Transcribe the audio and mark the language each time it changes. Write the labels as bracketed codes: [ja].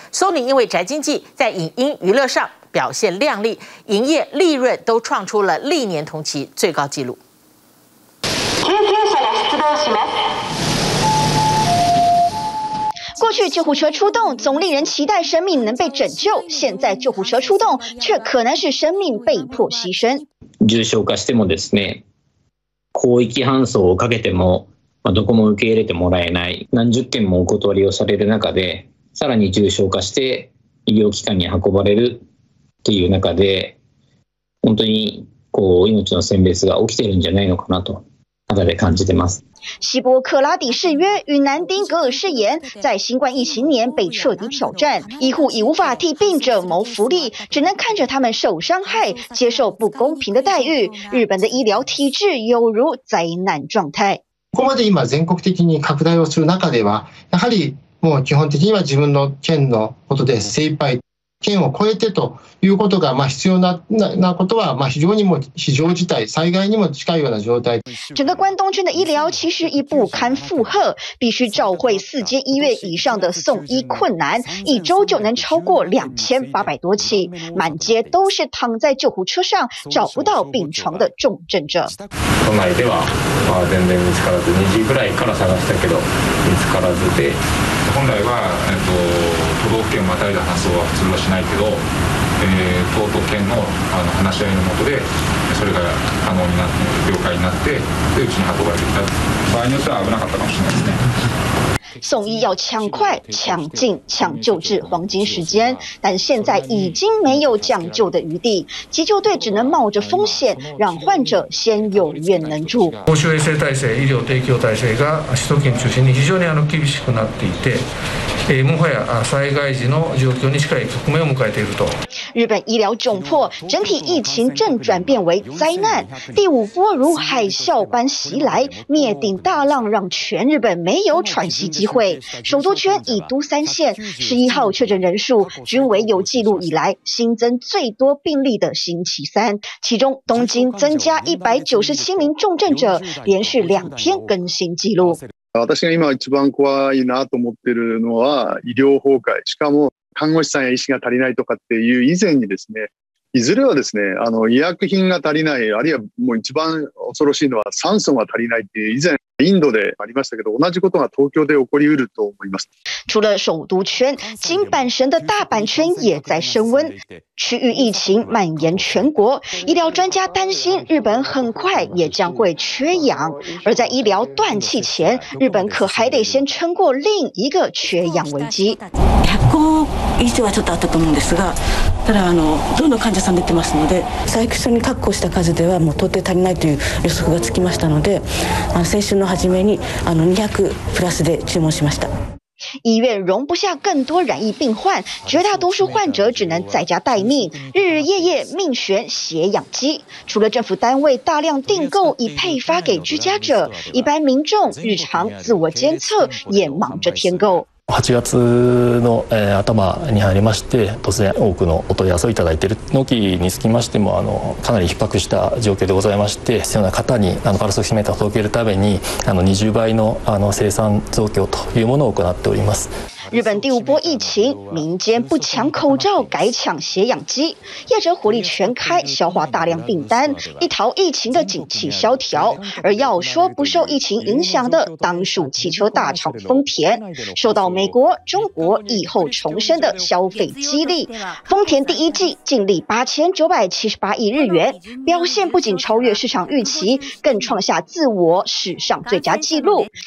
[zh] Sony 因为宅经济，在影音娱乐上表现亮丽，营业利润都创出了历年同期最高纪录。 [ja] 救急车出动します。 [zh] 过去救护车出动总令人期待生命能被拯救，现在救护车出动却可能是生命被迫牺牲。 [ja] 重症化してもですね、広域搬送をかけても、どこも受け入れてもらえない、何十件もお断りをされる中で、さらに重症化して医療機関に運ばれるっていう中で、本当にこう命の選別が起きてるんじゃないのかなと、肌で感じてます。 [zh] 希波克拉底誓约与南丁格尔誓言，在新冠疫情年被彻底挑战。医护已无法替病者谋福利，只能看着他们受伤害，接受不公平的待遇。日本的医疗体制犹如灾难状态。 [ja] ここまで今全国的に拡大をする中では、やはりもう基本的には自分の県のことで精一杯。県を越えてということが必要なことは非常にも非常事態災害にも近いような状態。 [zh] 整个关东圈的医疗其实已不堪负荷，必须召回4间医院以上的送医困难，一周就能超过2800多起，满街都是躺在救护车上找不到病床的重症者。 [ja] 都内では全然見つからず、2時ぐらいから探したけど見つからずで。本来は都道府県をまたいだ搬送は普通はしないけど、都と県 の話し合いのもとでそれが可能になって了解になってでうちに運ばれてきた。場合によっては危なかったかもしれないですね。 [zh] 送医要抢快、抢进、抢救治黄金时间，但现在已经没有抢救的余地，急救队只能冒着风险让患者先有院能住。 [ja] 公衆衛生体制、医療提供体制が首都圏中心に非常に厳しくなっていて、もはや災害時の状況に近い局面を迎えていると。 [zh] 日本医疗窘迫，整体疫情正转变为灾难，第五波如海啸般袭来，灭顶大浪让全日本没有喘息机会。首都圈以都三县11号确诊人数均为有记录以来新增最多病例的星期三，其中东京增加197名重症者，连续2天更新记录。 [ja] 私が今一番怖いなと思ってるのは医療崩壊、しかも看護師さんや医師が足りないとかっていう以前にですね、いずれはですね、医薬品が足りない、あるいはもう一番恐ろしいのは酸素が足りないっていう以前。インドでありましたけど、同じことが東京で起こりうると思います。 [zh] 除了首都圈，金板神的大阪圈也在升温，区域疫情蔓延全国，医疗专家担心日本很快也将会缺氧。而在医疗断气前，日本可还得先撑过另一个缺氧危机。 [ja] 行以上はちょっとあったと思うんですが、ただどんどん患者さん出てますので、最初に確保した数ではもう到底足りないという予測がつきましたので、先週の初めに200プラスで注文しました。 [zh] 医院容不下更多染疫病患，绝大多数患者只能在家待命，日日夜夜命悬血氧机。除了政府单位大量订购以配发给居家者，一般民众日常自我监测也忙着添购。 [ja] 8月の頭に入りまして、突然多くのお問い合わせをいただいているのきにつきましても、かなり逼迫した状況でございまして、必要な方にパルスオキシメーターを届けるために20倍の生産増強というものを行っております。 [zh] 日本第五波疫情，民间不抢口罩，改抢血氧机，业者火力全开，消化大量订单，一逃疫情的景气萧条。而要说不受疫情影响的，当属汽车大厂丰田，受到美国、中国疫后重生的消费激励，丰田第一季净利8978亿日元，表现不仅超越市场预期，更创下自我史上最佳纪录。